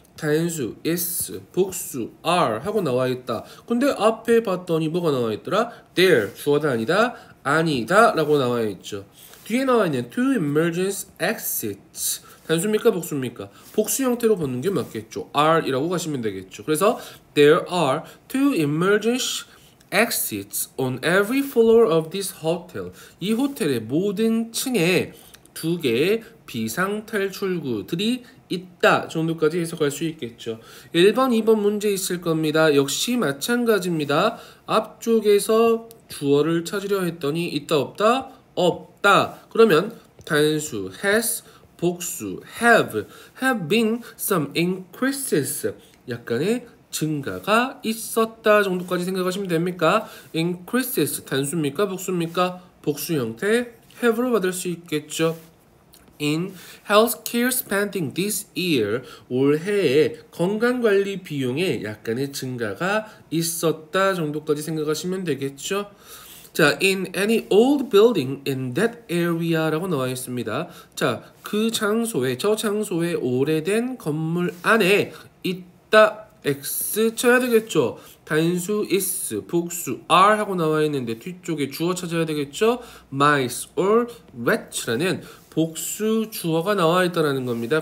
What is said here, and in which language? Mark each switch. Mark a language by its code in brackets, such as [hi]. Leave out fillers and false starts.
[ko] 단수, is, 복수, are 하고 나와 있다. 근데 앞에 봤더니 뭐가 나와 있더라? there, 주어다 아니다, 아니다 라고 나와 있죠. 뒤에 나와 있는 [en] two emergency exits, [ko] 단수입니까 복수입니까? 복수 형태로 보는 게 맞겠죠. are 이라고 가시면 되겠죠. 그래서 [en] there are two emergency exits on every floor of this hotel. [ko] 이 호텔의 모든 층에 두 개의 비상 탈출구들이 있다 정도까지 해석할 수 있겠죠. 1번, 2번 문제 있을 겁니다. 역시 마찬가지입니다. 앞쪽에서 주어를 찾으려 했더니 있다 없다? 없다. 그러면 단수 has, 복수 [en] have been some increases, [ko] 약간의 증가가 있었다 정도까지 생각하시면 됩니까? increases 단수입니까 복수입니까? 복수 형태 have로 받을 수 있겠죠. [en] In healthcare spending this year, [ko] 올해에 건강관리 비용에 약간의 증가가 있었다 정도까지 생각하시면 되겠죠. 자, [en] in any old building in that area [ko] 라고 나와 있습니다. 자, 그 장소에, 저 장소에 오래된 건물 안에 있다 X 쳐야 되겠죠. 단수 is, 복수 are 하고 나와 있는데 뒤쪽에 주어 찾아야 되겠죠. [en] mice or rats [ko] 라는 복수 주어가 나와 있다라는 겁니다.